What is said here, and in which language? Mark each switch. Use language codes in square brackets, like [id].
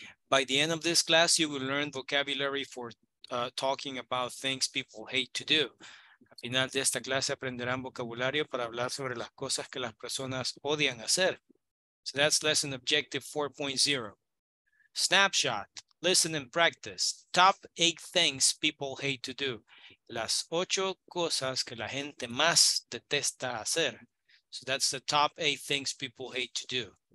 [en] By the end of this class, you will learn vocabulary for talking about things people hate to do. [es] Al final de esta clase aprenderán vocabulario para hablar sobre las cosas que las personas odian hacer. [en] So that's lesson objective 4.0. Snapshot. Listen and practice. Top 8 things people hate to do. [es] Las 8 cosas que la gente más detesta hacer. [en] So that's the top 8 things people hate to do.